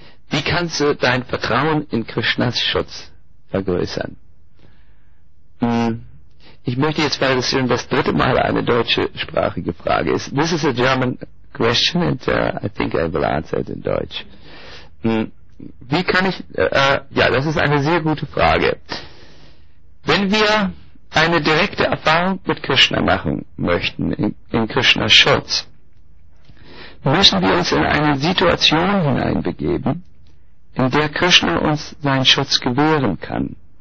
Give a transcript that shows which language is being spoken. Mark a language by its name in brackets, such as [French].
[German] Wie kannst du dein Vertrauen in Krishnas Schutz vergrößern? Ich möchte jetzt, weil das schon das dritte Mal eine deutschsprachige Frage ist. [English] This is a German question and I think I will answer it in Deutsch. [German] Wie kann ich, das ist eine sehr gute Frage. Wenn wir eine direkte Erfahrung mit Krishna machen möchten, in Krishnas Schutz, müssen wir uns in eine Situation hineinbegeben, in der Krishna uns seinen Schutz gewähren kann.